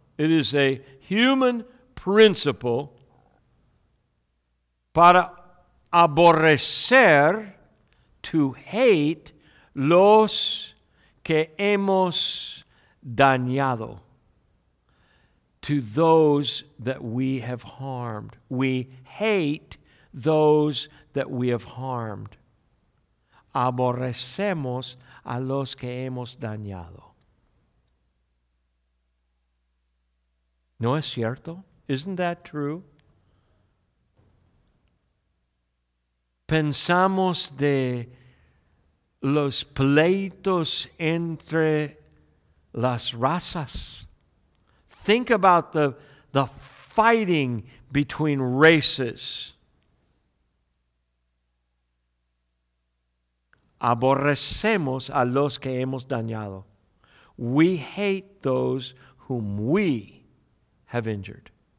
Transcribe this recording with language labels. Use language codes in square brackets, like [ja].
[en] It is a human principle [es] para aborrecer, [en] to hate, [es] los que hemos dañado, [en] to those that we have harmed. We hate those that we have harmed. [es] Aborrecemos a los que hemos dañado. ¿No es cierto? [en] Isn't that true? [es] Pensamos de los pleitos entre las razas. [en] Think about the fighting between races. [es] Aborrecemos a los que hemos dañado. [en] We hate those whom we have injured.